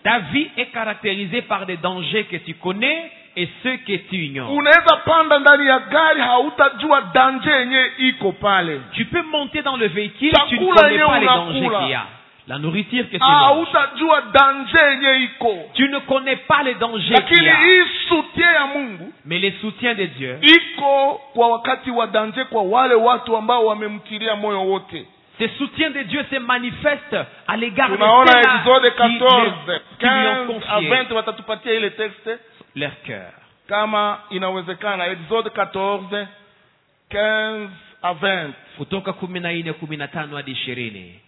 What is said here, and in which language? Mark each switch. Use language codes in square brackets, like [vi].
[fr] Ta vie est caractérisée par des dangers que tu connais et ceux que tu ignores. [sw] Unaweza panda ndani ya gari hautajua danger yenye iko pale. [fr] Tu peux monter dans le véhicule, tu ne connais pas les dangers qu'il y a. La nourriture que tu manges. [sw] Hautajua danger yenye iko. [fr] Tu ne connais pas les dangers qu'il y a. [sw] Lakini soutien ya Mungu. [fr] Mais le soutien de Dieu. [sw] Iko kwa wakati wa danger kwa wale watu ambao wamemtilia moyo wote. [fr] Ce soutien de Dieu se manifeste à l'égard de ceux qui lui ont confié. [sw] Watatupatia ile texte. [fr] Leur cœur. [sw] Kama inawezekana Exode 14:15-20. Kutoka 14:15-20.